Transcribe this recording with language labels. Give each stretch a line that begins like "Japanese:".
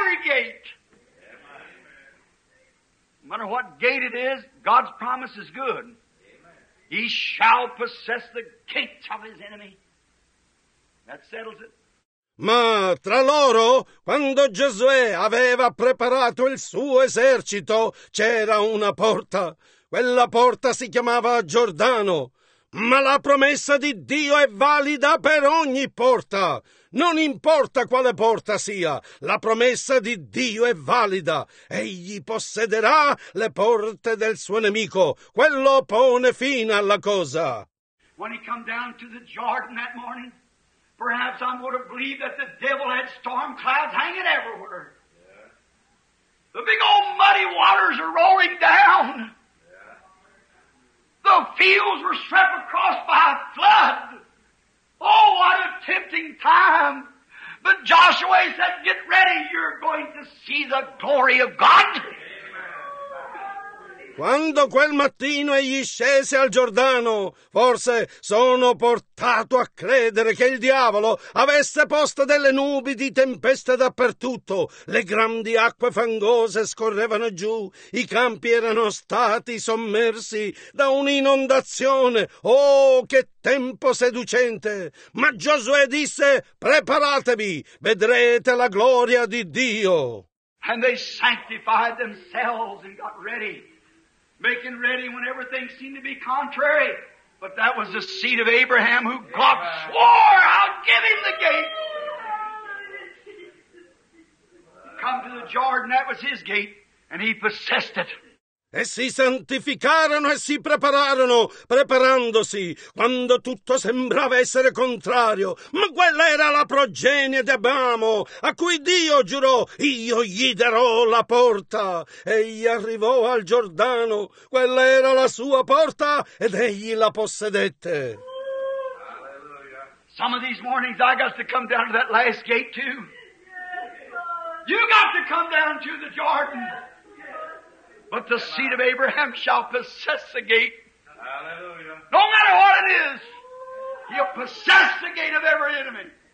English: gate. No matter what gate it is, God's promise is good. Amen. He shall possess the gates of his enemy. That settles it.
Italian: Ma tra loro, quando Giosuè aveva preparato il suo esercito, c'era una porta. Quella porta si chiamava Giordano. Ma la promessa di Dio è valida per ogni porta. Non importa quale porta sia, la promessa di Dio è valida. Egli possederà le porte del suo nemico. Quello pone fine alla cosa.
English: When he come down to the Jordan that morning, perhaps I would have believed that the devil had storm clouds hanging everywhere. Yeah. The big old muddy waters are roaring down. The fields were swept across by a flood. Oh, what a tempting time. But Joshua said, get ready, you're going to see the glory of God.
Italian: Quando quel mattino egli scese al Giordano, forse sono portato a credere che il diavolo avesse posto delle nubi di tempesta dappertutto. Le grandi acque fangose scorrevano giù, i campi erano stati sommersi da un'inondazione. Oh, che tempo seducente! Ma Giosuè disse, preparatevi, vedrete la gloria di Dio.
English: And they sanctified themselves and got ready. Making ready when everything seemed to be contrary. But that was the seed of Abraham who God Amen. Swore, I'll give him the gate. He come to the Jordan, that was his gate, and he possessed it.
Italian: E si santificarono e si prepararono, preparandosi, quando tutto sembrava essere contrario. Ma quella era la progenie di Abramo, a cui Dio giurò, io gli darò la porta. Egli arrivò al Giordano, quella era la sua porta, ed egli la possedette.
English: Some of these mornings I got to come down to that last gate too. You got to come down to the Jordan. But the seed of Abraham shall possess the gate. Hallelujah. No matter what it is, he'll possess the gate of every enemy.